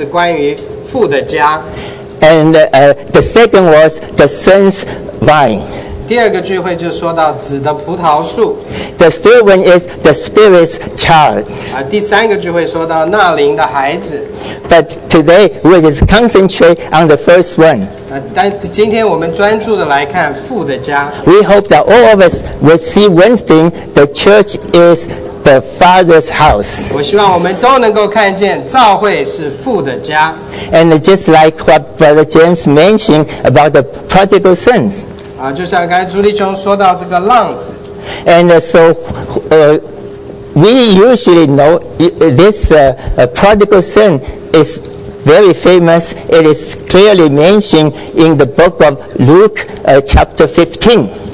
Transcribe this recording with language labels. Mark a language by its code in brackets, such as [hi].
[zh] 你们参加特会过的弟兄姊妹就知道，第一个聚会是关于父的家。 [en] And the second was the son's vine. [zh] 第二个聚会就说到子的葡萄树。 [en] The third one is the spirit's child. [zh] 第三个聚会说到那灵的孩子。 [en] But today we just concentrate on the first one. [zh] 但今天我们专注的来看父的家。 [en] We hope that all of us will see one thing: the church is the Father's house. [zh] 我希望我们都能够看见教会是父的家。 [en] And just like what Brother James mentioned about the prodigal sons. [zh] 就像刚才朱立雄说到这个浪子。 [en] And so we usually know this prodigal son is very famous. It is clearly mentioned in the book of Luke chapter 15.